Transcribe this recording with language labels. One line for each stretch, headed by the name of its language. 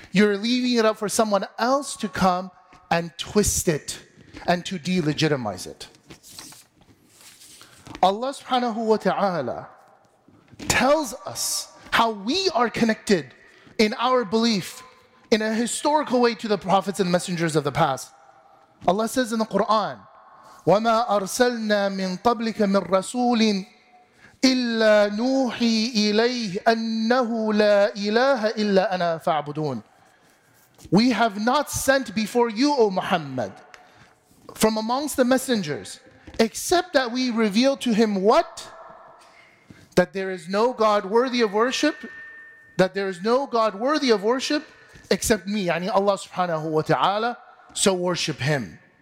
English: You're leaving it up for someone else to come and twist it and to delegitimize it. Allah subhanahu wa ta'ala tells us how we are connected in our belief in a historical way to the prophets and messengers of the past. Allah says in the Quran,
Arabic: وَمَا أَرْسَلْنَا مِنْ قَبْلِكَ مِنْ رَسُولٍ إِلَّا نُوحِي إِلَيْهِ أَنَّهُ لَا إِلَهَ إِلَّا أَنَا فَاعْبُدُونَ.
English: We have not sent before you, O Muhammad, from amongst the messengers, except that we reveal to him what? That there is no God worthy of worship, that there is no God worthy of worship, except me, yani Allah subhanahu wa ta'ala, so worship him.